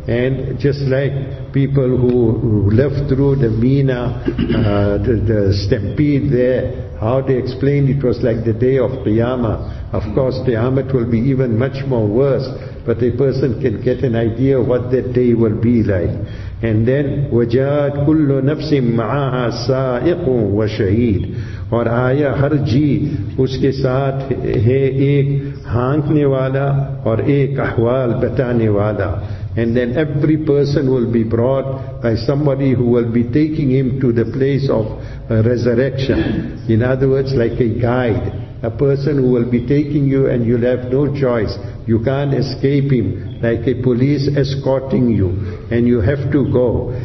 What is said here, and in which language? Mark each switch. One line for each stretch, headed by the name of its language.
English: And just like people who lived through the Mina, the stampede there, how they explained it was like the day of Qiyamah. Of course, Qiyamah will be even much more worse, but a person can get an idea what that day will be like. And then,
Arabic: وَجَاءَتْ كُلُّ نَفْسٍ مَعَاهَا سَائِقٌ وَشَهِيدٌ.
Urdu: اور آیا ہر جی اس کے ساتھ ہے ایک ہانکنے والا اور ایک احوال بتانے والا.
English: And then every person will be brought by somebody who will be taking him to the place of resurrection. In other words, like a guide, a person who will be taking you, and you'll have no choice. You can't escape him, like a police escorting you, and you have to go.